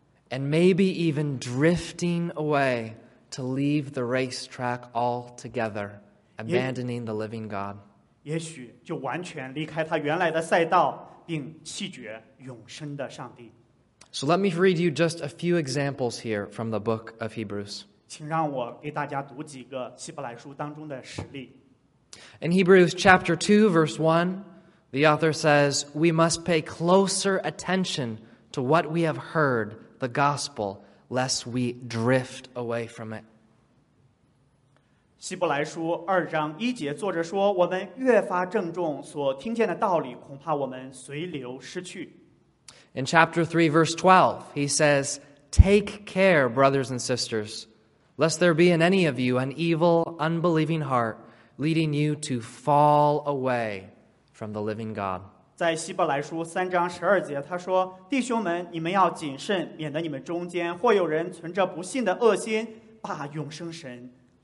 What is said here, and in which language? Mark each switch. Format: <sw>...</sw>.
<en>and maybe even drifting awayTo leave the race track altogether, abandoning the living God.</en> <zh>也许就完全离开他原来的赛道，并弃绝永生的上帝。</zh> <en>So let me read you just a few examples here from the book of Hebrews.</en> <zh>请让我给大家读几个希伯来书当中的实例。</zh> <en>In Hebrews chapter 2, verse 1, the author says, We must pay closer attention to what we have heard, the gospel.Lest we drift away from it.</en> <zh>希伯来书二章一节，作者说：“我们越发郑重所听见的道理，恐怕我们随流失去。”</zh> <en>In chapter 3, verse 12, he says, "Take care, brothers and sisters, lest there be in any of you an evil, unbelieving heart, leading you to fall away from the living God."</en> <zh>在希伯来书三章十二节，他说：“弟兄们，你们要谨慎，免得你们中间或有人存着不信的恶心，把永生神。”</zh>